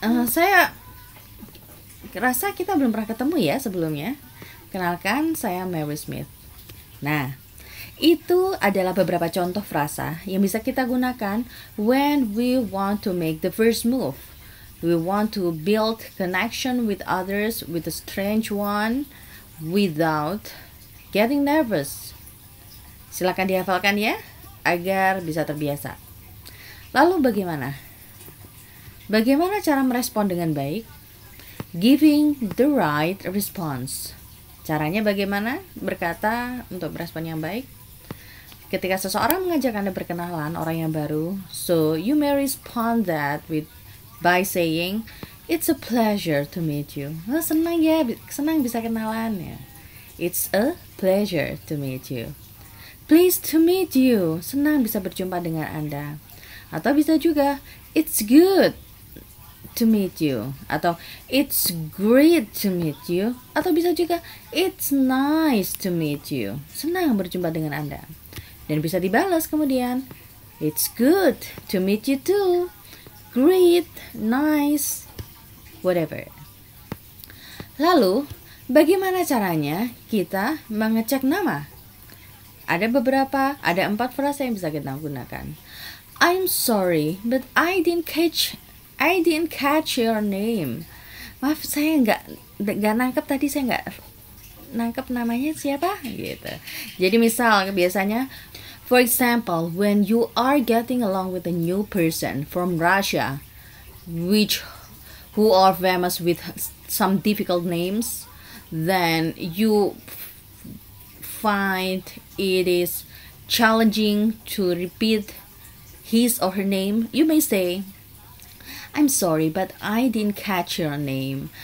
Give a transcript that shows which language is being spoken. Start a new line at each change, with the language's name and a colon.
Indonesian: Saya rasa kita belum pernah ketemu ya sebelumnya. Kenalkan, saya Mary Smith. Nah, itu adalah beberapa contoh frasa yang bisa kita gunakan
English: when we want to make the first move. We want to build connection with others, with a strange one, without getting nervous.
Indonesian: Silakan dihafalkan ya, agar bisa terbiasa. Lalu bagaimana? Bagaimana cara merespon dengan baik?
English: Giving the right response.
Indonesian: Caranya bagaimana berkata untuk merespon yang baik? Ketika seseorang mengajak Anda berkenalan, orang yang baru,
English: so you may respond that by saying, "It's a pleasure to meet you."
Indonesian: Oh, senang ya, senang bisa kenalan ya.
English: "It's a pleasure to meet you." "Pleased to meet you."
Indonesian: Senang bisa berjumpa dengan Anda. Atau bisa juga,
English: "It's good to meet you." Atau, "It's great to meet you."
Indonesian: Atau bisa juga,
English: "It's nice to meet you."
Indonesian: Senang berjumpa dengan Anda. Dan bisa dibalas kemudian,
English: "It's good to meet you too. Great, nice, whatever."
Indonesian: Lalu, bagaimana caranya kita mengecek nama? Ada 4 frasa yang bisa kita gunakan.
English: "I'm sorry, but I didn't catch your name."
Indonesian: Maaf, saya enggak nangkep tadi, saya enggak nangkep namanya siapa gitu. Jadi misal biasanya,
English: for example, when you are getting along with a new person from Russia who are famous with some difficult names, then you find it is challenging to repeat his or her name, you may say, "I'm sorry, but I didn't catch your name."